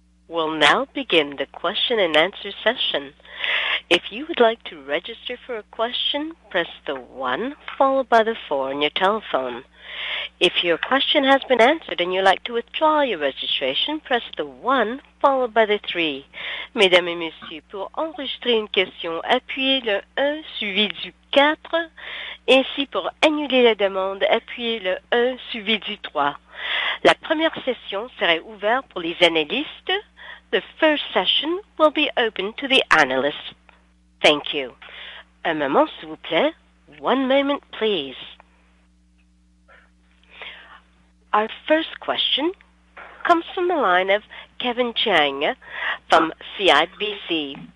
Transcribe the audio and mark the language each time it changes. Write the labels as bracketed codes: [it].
[en] We'll now begin the question and answer session. If you would like to register for a question, press the 1 followed by the 4 on your telephone. If your question has been answered and you'd like to withdraw your registration, press the 1 followed by the 3. [fr] Mesdames et messieurs, pour enregistrer une question, appuyez le 1 suivi du 4. Ainsi, pour annuler la demande, appuyez le 1 suivi du 3. La première session sera ouverte pour les analystes. [en] The first session will be open to the analysts. Thank you. [fr] Un moment, s'il vous plaît. [en] One moment, please. Our first question comes from the line of Kevin Chiang from CIBC.